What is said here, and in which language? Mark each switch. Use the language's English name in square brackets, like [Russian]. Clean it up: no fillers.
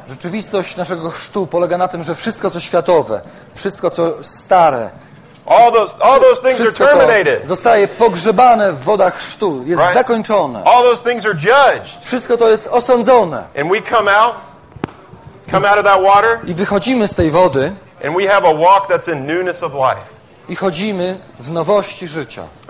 [Polish] Rzeczywistość naszego chrztu polega na tym, że wszystko co światowe, wszystko co stare, [English] all those things are terminated. [Polish] Zostaje pogrzebane w wodach chrztu, jest [English] right? [Polish] Zakończone. [English] All those things are judged. [Polish] Wszystko to jest osądzone. [English] And we come out of that water. [Polish] I wychodzimy z tej wody. [English] And we have a walk that's in newness of life. [Polish] I chodzimy w nowości życia.